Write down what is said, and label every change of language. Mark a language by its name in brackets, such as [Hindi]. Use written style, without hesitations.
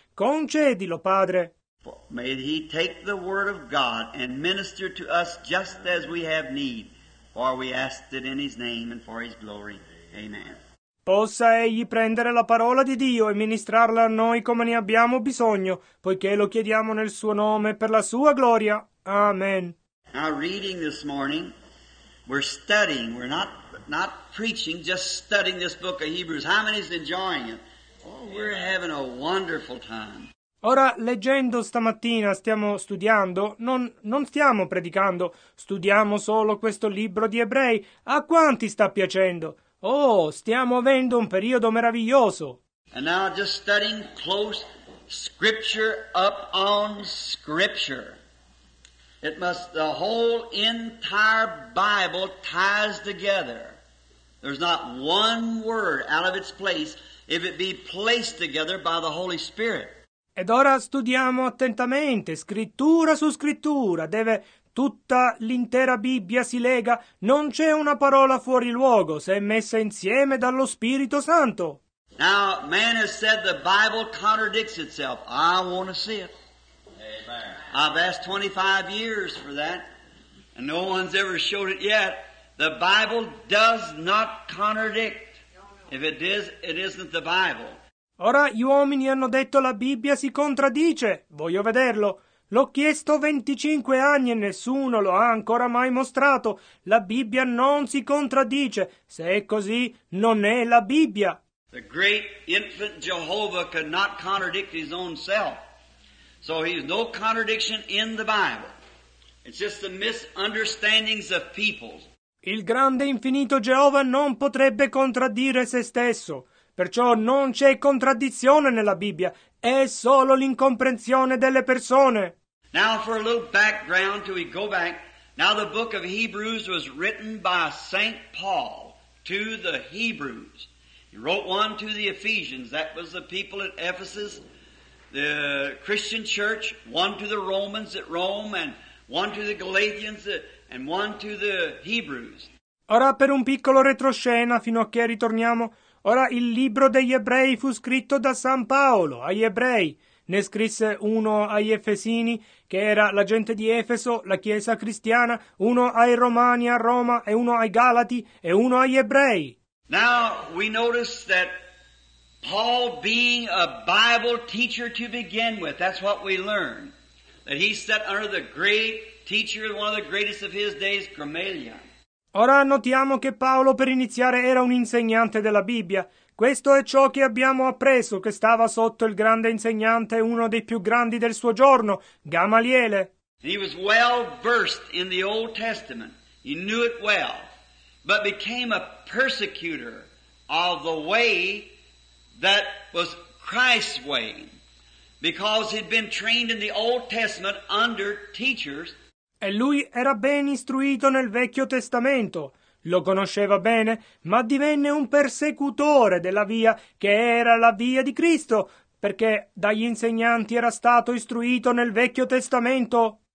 [Italian] Concedilo, Padre. [English] May he take the word of God and minister to us just as we have need, for we ask it in his name and for his glory. Amen. [Italian] Possa egli prendere la parola di Dio e ministrarla a noi come ne abbiamo bisogno, poiché lo chiediamo nel suo nome per la sua gloria. Amen. [English] Now reading this morning, we're studying, we're not preaching, just studying this book of Hebrews. How many is enjoying it? Oh, we're having a wonderful time. [Italian] Ora, leggendo stamattina, stiamo studiando, non stiamo predicando, studiamo solo questo libro di Ebrei. A quanti sta piacendo? Oh, stiamo avendo un periodo meraviglioso. [English] And now just studying close scripture up on scripture. The whole entire Bible ties together. There's not one word out of its place if it be placed together by the Holy Spirit. [Italian] Ed ora studiamo attentamente, scrittura su scrittura, deve tutta l'intera Bibbia si lega, non c'è una parola fuori luogo se è messa insieme dallo Spirito Santo. [English] Now, man has said the Bible contradicts itself. I want to see it. I've asked 25 years for that, and no one's ever showed it yet. The Bible does not contradict. If it is, it isn't the Bible. [Italian] Ora gli uomini hanno detto la Bibbia si contraddice. Voglio vederlo. L'ho chiesto 25 anni e nessuno lo ha ancora mai mostrato. La Bibbia non si contraddice. Se è così, non è la Bibbia. [English] The great infant Jehovah could not contradict his own self. So he's no contradiction in the Bible. It's just the misunderstandings of people. [Italian] Il grande infinito Geova non potrebbe contraddire se stesso. Perciò non c'è contraddizione nella Bibbia. È solo l'incomprensione delle persone. [English] Now for a little background till we go back. Now the book of Hebrews was written by St. Paul to the Hebrews. He wrote one to the Ephesians. That was the people at Ephesus. The Christian church, one to the Romans at Rome, and one to the Galatians, and one to the Hebrews. [Italian] Ora, per un piccolo retroscena, fino a che ritorniamo, ora il libro degli Ebrei fu scritto da San Paolo agli Ebrei. Ne scrisse uno agli Efesini, che era la gente di Efeso, la chiesa cristiana, uno ai Romani a Roma, e uno ai Galati, e uno agli Ebrei. [English] Now, we notice that Paul being a Bible teacher to begin with, that's what we learn. That he sat under the great teacher, one of the greatest of his days, Gamaliel. [Italian] Ora notiamo che Paolo per iniziare era un insegnante della Bibbia. Questo è ciò che abbiamo appreso, che stava sotto il grande insegnante, uno dei più grandi del suo giorno, Gamaliele. [English] He was well versed in the Old Testament. He knew it well. But became a persecutor of the way that was Christ's way, because he'd been trained in the Old Testament under teachers. [Italian] E lui era ben istruito nel Vecchio Testamento, lo conosceva bene, ma divenne un persecutore della via che era la via di Cristo, perché dagli insegnanti era stato istruito nel Vecchio Testamento.